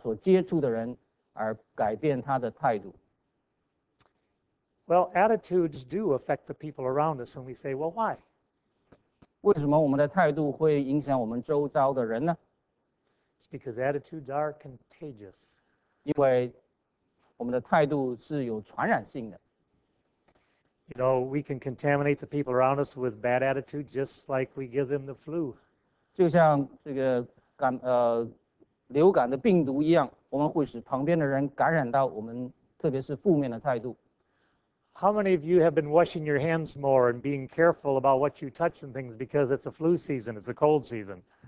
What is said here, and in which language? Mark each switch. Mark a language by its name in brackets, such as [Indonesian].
[Chinese] 有些人也是这样，他跟着他的环境与他所接触的人而改变他的态度。 [English] Well, attitudes do affect the people around us, and we say, well, why? [Chinese] 为什么我们的态度会影响我们周遭的人呢？ [English] It's because attitudes are contagious. [Chinese] 因为我们的态度是有传染性的。 [English] You know, we can contaminate the people around us with bad attitudes just like we give them the flu. [Chinese] 就像这个流感的病毒一样，我们会使旁边的人感染到我们，特别是负面的态度。 [English] How many of you have been washing your hands more and being careful about what you touch and things because it's a flu season, it's a cold season?